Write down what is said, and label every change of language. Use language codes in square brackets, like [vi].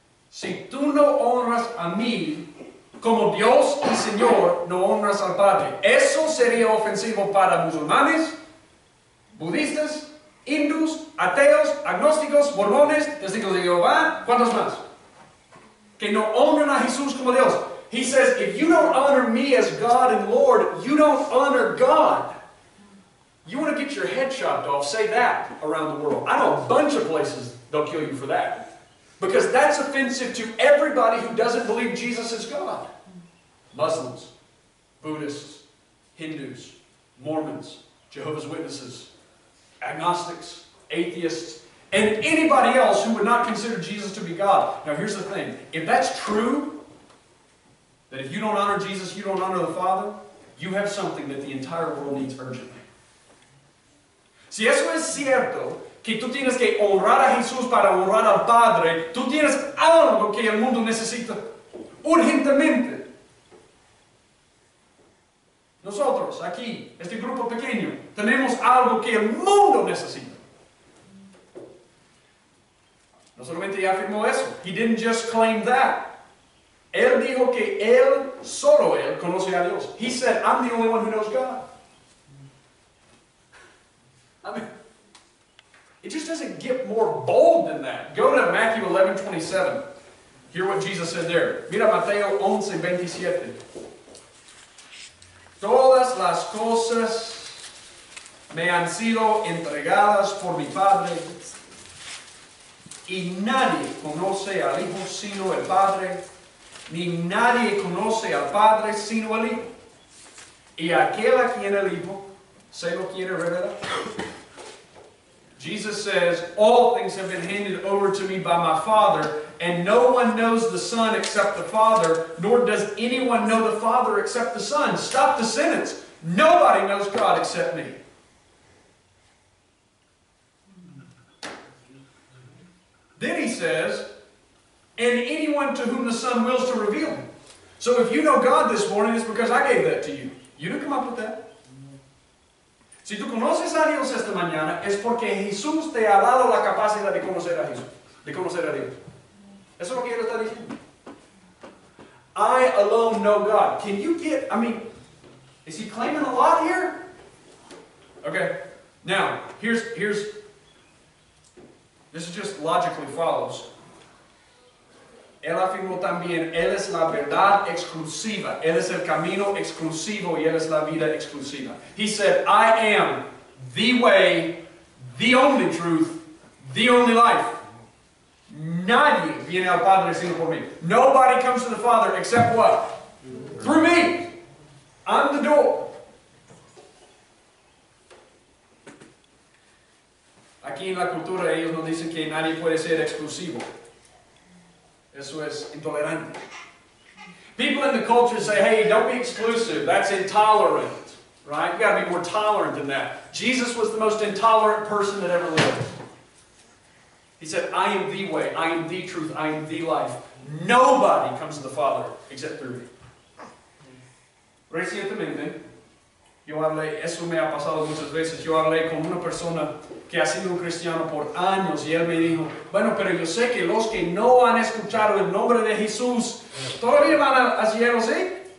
[es] Si tú no honras a mí, como Dios y Señor, no honras al Padre. Eso sería ofensivo para musulmanes, budistas, hindús, ateos, agnósticos, mormones, testigos de Jehová, ¿cuántos más? Que no honran a Jesús como Dios. [en] He says, if you don't honor me as God and Lord, you don't honor God. You want to get your head chopped off, say that around the world. I know a bunch of places they'll kill you for that. Because that's offensive to everybody who doesn't believe Jesus is God. Muslims, Buddhists, Hindus, Mormons, Jehovah's Witnesses, agnostics, atheists, and anybody else who would not consider Jesus to be God. Now here's the thing. If that's true, that if you don't honor Jesus, you don't honor the Father, you have something that the entire world needs urgently. [es] Si eso es cierto, que tú tienes que honrar a Jesús para honrar al Padre, tú tienes algo que el mundo necesita urgentemente. Nosotros, aquí, este grupo pequeño, tenemos algo que el mundo necesita. No solamente afirmó eso. [en] He didn't just claim that. [es] Él dijo que él, solo él, conoce a Dios. [en] He said, I'm the only one who knows God. I mean, it just doesn't get more bold than that. Go to Matthew 11:27. Hear what Jesus said there. [es] Mira Mateo 11:27. Todas las cosas me han sido entregadas por mi Padre, y nadie conoce al Hijo sino el Padre, ni nadie conoce al Padre sino el Hijo, y aquel a quien el Hijo se lo quiere revelar. [en] Jesus says, all things have been handed over to me by my Father, and no one knows the Son except the Father, nor does anyone know the Father except the Son. Stop the sentence. Nobody knows God except me. Then he says, and anyone to whom the Son wills to reveal him. So if you know God this morning, it's because I gave that to you. You didn't come up with that. [es] Si tú conoces a Dios esta mañana, es porque Jesús te ha dado la capacidad de conocer a Jesús, de conocer a Dios. Eso es lo que él está diciendo. [en] I alone know God. Can you get, I mean, is he claiming a lot here? Okay, now, here's, this is just logically follows. [es] Él afirmó también, él es la verdad exclusiva. Él es el camino exclusivo y él es la vida exclusiva. [en] He said, I am the way, the only truth, the only life. [es] Nadie viene al Padre sino por mí. [en] Nobody comes to the Father except what? Through me. I'm the door. [es] Aquí en la cultura ellos nos dicen que nadie puede ser exclusivo. Eso es intolerante. [en] People in the culture say, hey, don't be exclusive. That's intolerant. Right? You've got to be more tolerant than that. Jesus was the most intolerant person that ever lived. He said, I am the way. I am the truth. I am the life. Nobody comes to the Father except through me. [es] Recientemente, yo hablé, eso me ha pasado muchas veces, yo hablé con una persona que ha sido un cristiano por años, y él me dijo, bueno, pero yo sé que los que no han escuchado el nombre de Jesús todavía van al cielo, ¿sí?